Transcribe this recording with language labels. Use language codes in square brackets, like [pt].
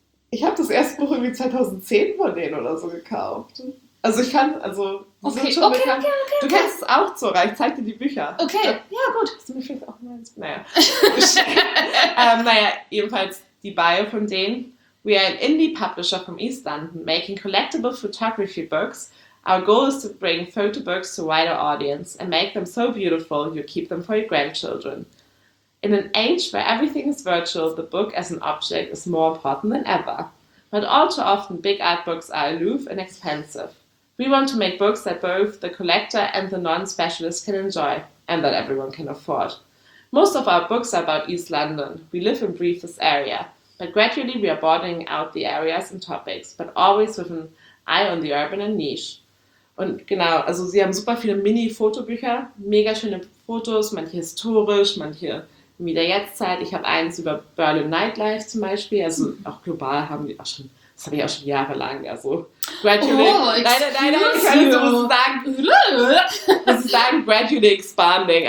[de] Ich habe das erste Buch irgendwie 2010 von denen oder so gekauft. Also ich kann, also... Okay, sind schon okay, okay, okay, okay. Du kennst es auch, Zora. Ich zeig dir die Bücher. Okay, ja, gut. Hast du mir vielleicht auch mal... Naja. naja, jedenfalls die Bio von denen. [en] We are an indie publisher from East London, making collectible photography books. Our goal is to bring photo books to a wider audience and make them so beautiful you keep them for your grandchildren. In an age where everything is virtual, the book as an object is more important than ever. But all too often, big art books are aloof and expensive. We want to make books that both the collector and the non-specialist can enjoy, and that everyone can afford. Most of our books are about East London. We live and breathe this area, but gradually we are broadening out the areas and topics, but always with an eye on the urban and niche. [de] Und genau, also sie haben super viele Mini-Fotobücher, mega schöne Fotos, manche historisch, manche wieder Jetztzeit. Ich habe eins über Berlin Nightlife zum Beispiel. Also auch global haben die auch schon, das habe ich auch schon jahrelang. Also gradually. Ich kann sagen, [en] gradually expanding.